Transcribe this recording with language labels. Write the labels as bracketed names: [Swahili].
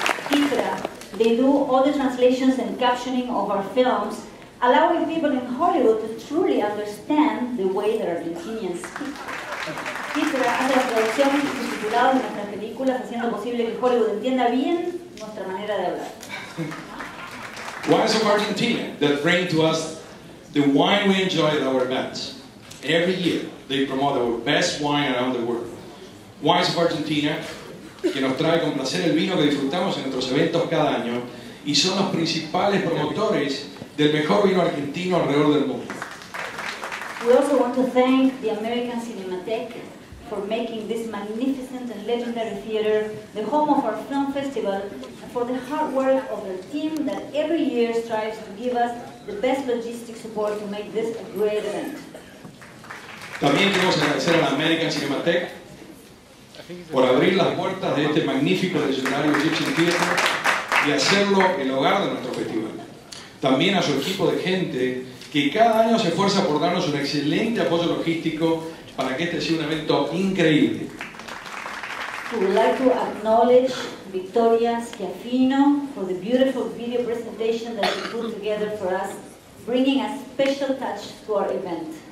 [English] Ifra, they do all the translations and captioning of our films, allowing people in Hollywood to truly understand the way that Argentinians speak. [Spanish] Ifra hace la traducción y sus titulados de nuestras películas, haciendo posible que Hollywood entienda bien nuestra manera de hablar. [English] Wines of Argentina that bring to us the wine we enjoy at our events. Every year they promote our best wine around the world. [Spanish] Wines of Argentina, que nos trae con placer el vino que disfrutamos en nuestros eventos cada año, y son los principales promotores del mejor vino argentino alrededor del mundo. [English] We also want to thank the American Cinematheque for making this magnificent and legendary theater the home of our film festival, and for the hard work of their team that every year strives to give us the best logistic support to make this a great event. [Spanish] También queremos agradecer a la American Cinematheque por abrir las puertas de este magnífico legendario Egyptian Theater y hacerlo el hogar de nuestro festival. También a su equipo de gente que cada año se esfuerza por darnos un excelente apoyo logístico para que este sea un evento increíble. [English] We would like to acknowledge Victoria Schiaffino for the beautiful video presentation that she put together for us, bringing a special touch to our event.